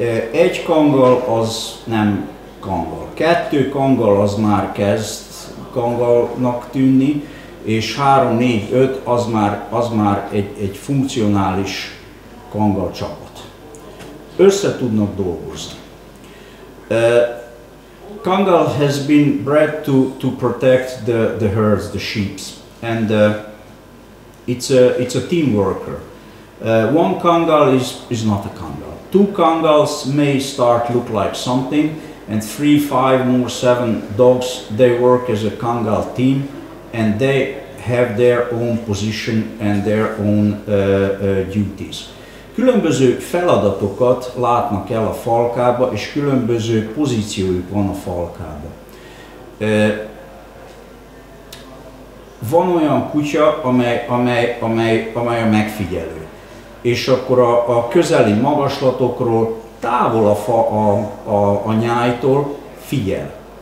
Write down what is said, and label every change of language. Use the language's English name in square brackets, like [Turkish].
[Hungarian] Egy kangal az nem kangal. Kettő kangal az már kezd kangalnak tűnni, és 3-4-5 az már egy funkcionális kangal csapat. Össze tudnak dolgozni. [English] Kangal has been bred to protect the herds, the sheep, and it's a team worker. One kangal is not a kangal. Two kangals may start look like something, and 3, 5, more 7 dogs, they work as a kangal team, and they have their own position and their own duties. [Hungarian] Különböző feladatokat látnak el a falkába, és különböző pozíciójuk van a falkába. Van olyan kutya, amely a megfigyelő. És akkor a közeli magaslatokról, távol a nyájtól figyel.